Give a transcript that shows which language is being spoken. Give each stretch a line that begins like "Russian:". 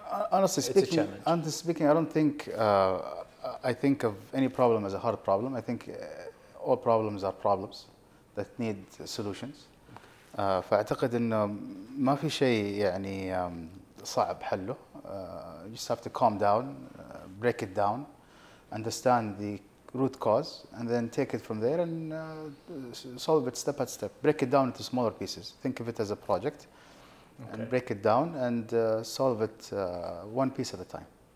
English: Honestly speaking, I don't think I think of any problem as a hard problem. I think all problems are problems that need solutions.
Arabic: فأعتقد إنه ما في شيء يعني صعب حله.
English: You just have to calm down, break it down, understand the root cause, and then take it from there and solve it step by step. Break it down into smaller pieces. Think of it as a project, okay. And break it down and solve it one piece at a time.